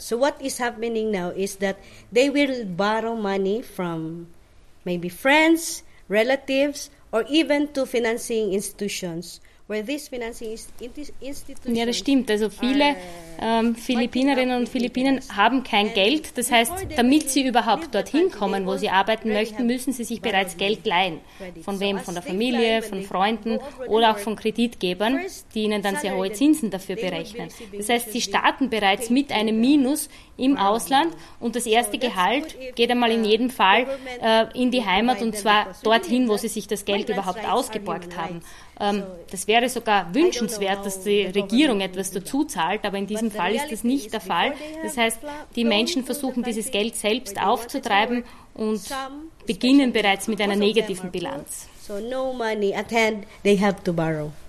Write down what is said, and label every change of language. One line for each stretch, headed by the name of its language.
English: So what is happening now is that they will borrow money from maybe friends, relatives, or even to financing institutions. Where these financing institutions.
German: Ja, das stimmt. Also viele Filipinerinnen und Philippinen haben kein Geld. Das heißt, damit sie überhaupt dorthin kommen, wo sie arbeiten möchten, müssen sie sich bereits Geld leihen. Von wem? Von der Familie, von Freunden oder auch von Kreditgebern, die ihnen dann sehr hohe Zinsen dafür berechnen. Das heißt, sie starten bereits mit einem Minus im Ausland und das erste Gehalt geht einmal in jedem Fall in die Heimat und zwar dorthin, wo sie sich das Geld überhaupt ausgeborgt haben. Das wäre sogar wünschenswert, dass die Regierung etwas dazu zahlt, aber in diesem Fall ist das nicht der Fall. Das heißt, die Menschen versuchen, dieses Geld selbst aufzutreiben und beginnen bereits mit einer negativen Bilanz.
English: So no money at hand, they have to borrow.